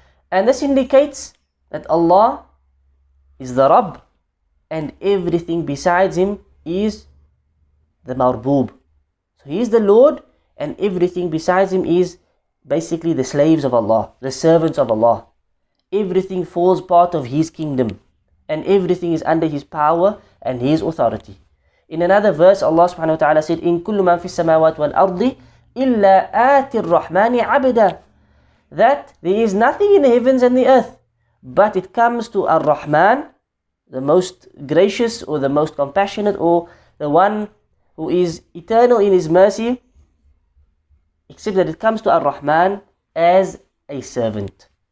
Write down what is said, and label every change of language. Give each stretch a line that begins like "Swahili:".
English: And this indicates that Allah is the Rabb, and everything besides him is the Marbub. So he is the Lord, and everything besides him is basically the slaves of Allah, the servants of Allah. Everything falls part of his kingdom, and everything is under his power and his authority. In another verse, Allah subhanahu wa ta'ala said,
Arabic: إِن كُلُّ مَن فِي السَّمَاوَاتِ وَالْأَرْضِ إِلَّا آتِ الرَّحْمَانِ عَبْدًا.
English: That there is nothing in the heavens and the earth, but it comes to Ar-Rahman, the most gracious or the most compassionate, or the one who is eternal in his mercy, except that it comes to Ar-Rahman as a servant.